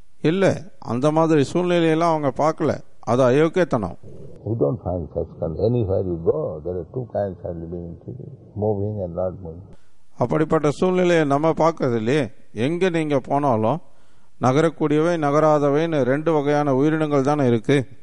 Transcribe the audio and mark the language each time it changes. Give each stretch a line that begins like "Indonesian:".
Tamil: இல்ல, அந்த மாதிரி சூழ்நிலையெல்லாம் அவங்க பாக்கல, அது அயோக்கியத்தனம்.
English: You don't find such kind. Anywhere you go, there are two kinds of living entity, moving and not moving.
Tamil: அப்படிப்பட்ட சூழ்நிலையை நம்ம பார்க்கறதில்லையே, எங்க நீங்க போனாலும் நகரக்கூடியவை நகராதவைன்னு ரெண்டு வகையான உயிரினங்கள் தானே இருக்கு.